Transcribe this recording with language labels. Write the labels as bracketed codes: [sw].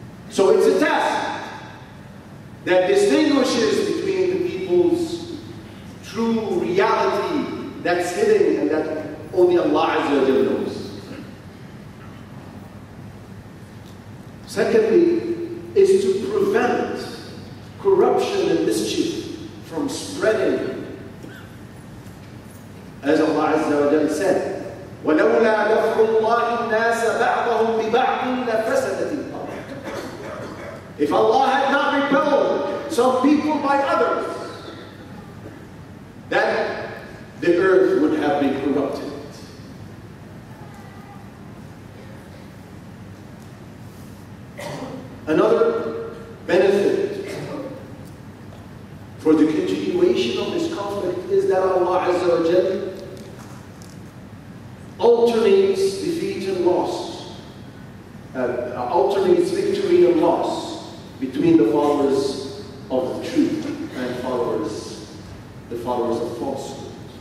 [en] So it's a test that distinguishes between the people's true reality that's hidden and that only Allah Azza wa Jalla knows. Secondly, is to prevent corruption and mischief from spreading. As Allah Azza wa Jalla said, [ar] وَلَوْلَا دَفْعُ اللَّهِ النَّاسَ بَعْضَهُمْ بِبَعْضٍ لَفَسَدَتِ الْأَرْضِ. [en] If Allah had not repelled some people by others, then the earth would have been corrupted. Another benefit for the continuation of this conflict is that Allah Azza wa Jalla alternates defeat and loss, alternates victory and loss between the followers of the truth and the followers of falsehood.